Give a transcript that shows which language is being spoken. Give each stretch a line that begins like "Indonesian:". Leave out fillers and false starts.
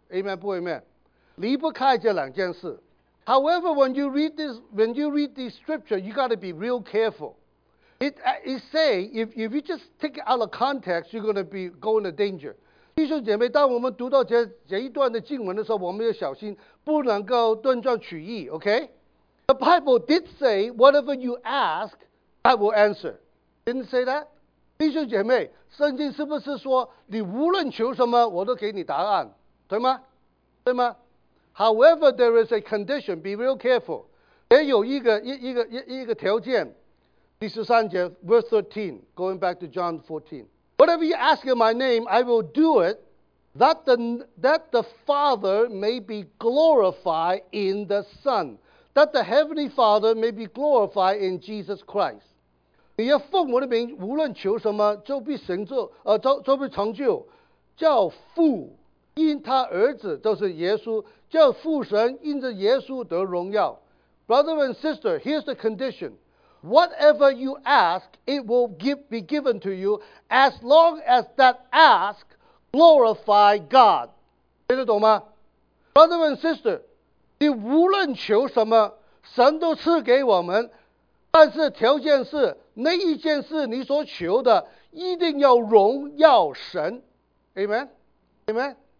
Chinese: Amen 不 Amen？ 离不开这两件事。
English: However, when you read this scripture, you got to be real careful. It say if you just take it out of context, you're going to be going to danger.
Chinese: 弟兄姐妹，当我们读到 这一段的经文的时候，我们要小心，不能够断章取义。
English: Okay? The Bible did say, "Whatever you ask, I will answer." Didn't say that?
Chinese: 弟兄姐妹，圣经是不是说你无论求什么，我都给你答案，对吗？对吗
English: ？However, there is a condition. Be real careful.
Chinese: 也有一个条件。第十三节 ，
English: verse 13, going back to John 14. Whatever you ask in my name, I will do it, that the Father may be glorified in the Son, that the Heavenly Father may be glorified in Jesus Christ.
Chinese: 你要奉我的名，无论求什么，就必成就，就必成就。叫父因他儿子，就是耶稣，叫父神因着耶稣得荣耀。
English: Brother and sister, here's the condition. Whatever you ask, it will be given to you as long as that ask glorify God.
Chinese: 听得懂吗 ？
English: Brother and sister,
Chinese: 你无论求什么，神都赐给我们，但是条件是那一件事你所求的一定要荣耀神。Amen? Amen?